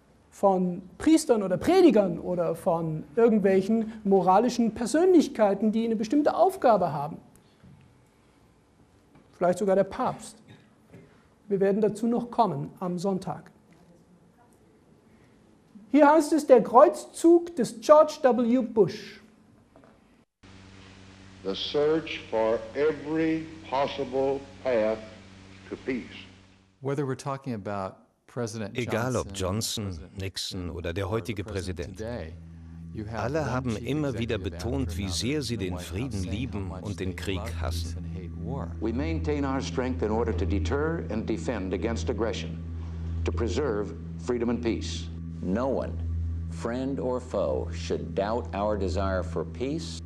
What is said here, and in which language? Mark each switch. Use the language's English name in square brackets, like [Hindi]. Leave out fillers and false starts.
[German] von Priestern oder Predigern oder von irgendwelchen moralischen Persönlichkeiten, die eine bestimmte Aufgabe haben, vielleicht sogar der Papst. Wir werden dazu noch kommen am Sonntag. Hier heißt es, der Kreuzzug des George W. Bush. [English] The search for every possible path to peace. Whether we're talking about President Johnson, [German] egal ob Johnson, Nixon oder der heutige Präsident, alle haben immer wieder betont, wie sehr sie den Frieden lieben und den Krieg hassen. [English] We maintain our strength in order to deter and defend against aggression, to preserve freedom and peace. No one, friend or foe, should doubt our desire for peace.